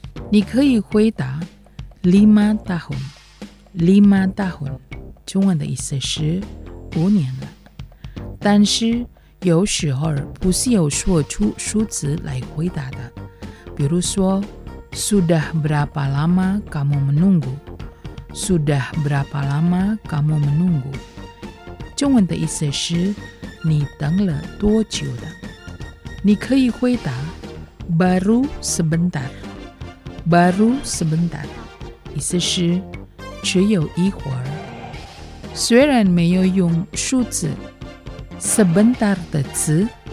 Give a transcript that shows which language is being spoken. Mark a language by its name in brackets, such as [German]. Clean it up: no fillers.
[Chinese] 你可以回答 [Indonesian] 5 tahun 5 tahun [Chinese] 中文的意思是五年了，但是有时候不是有说出数字来回答的，比如说 [Indonesian] Sudah berapa lama kamu menunggu? Sudah berapa lama kamu menunggu? [Chinese] 中文的意思是你等了多久的？你可以回答 [Indonesian] Baru sebentar Baru sebentar [Chinese] 意思是只有一会儿。虽然没有用数字 sebentar 的词，